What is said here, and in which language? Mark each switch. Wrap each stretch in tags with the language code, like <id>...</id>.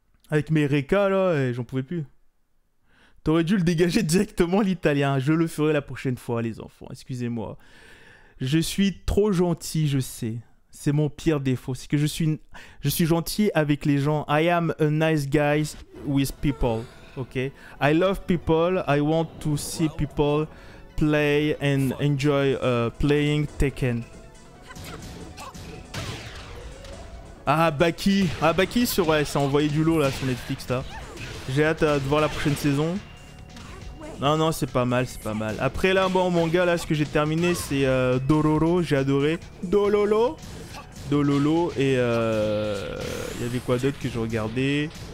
<fr>avec mes Reka, là, et j'en pouvais plus. T'aurais dû le dégager directement, l'italien. Je le ferai la prochaine fois, les enfants. Excusez-moi. Je suis trop gentil, je sais. C'est mon pire défaut. C'est que je suis gentil avec les gens.</fr> <en>I am a nice guy with people. Ok? I love people. I want to see people play and enjoy playing Tekken.</en> <fr>Ah, Baki, c'est vrai, ça a envoyé du lot, là, sur Netflix, là. J'ai hâte de voir la prochaine saison. Non, c'est pas mal. Après, là, bon, mon gars, là, ce que j'ai terminé, c'est Dororo, j'ai adoré. Dololo, et il y avait quoi d'autre que je regardais?</fr>